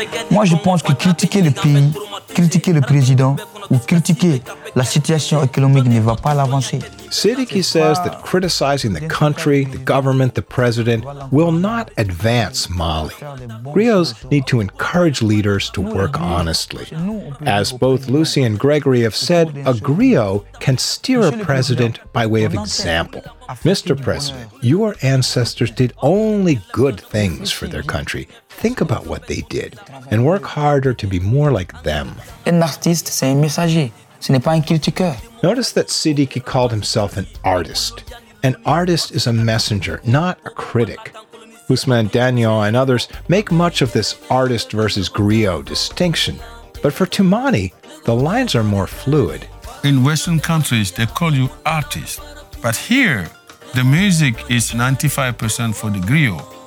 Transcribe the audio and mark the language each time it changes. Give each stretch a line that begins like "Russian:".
French: Moi je pense que critiquer le pays, critiquer le président ou critiquer la situation économique ne va pas l'avancer.
English: Siddiqui says that criticizing the country, the government, the president will not advance Mali. Griots need to encourage leaders to work honestly. As both Lucy and Gregory have said, a griot can steer a president by way of example. Mr. President, your ancestors did only good things for their country. Think about what they did and work harder to be more like them.
French: Un artiste, c'est un messager. Ce n'est pas un critiqueur.
English: Notice that Siddiqui called himself an artist. An artist is a messenger, not a critic. Ousmane Daniel and others make much of this artist versus griot distinction. But for Tumani, the lines are more fluid. In Western countries, they call you artist. But here, the music is 95% for the griot.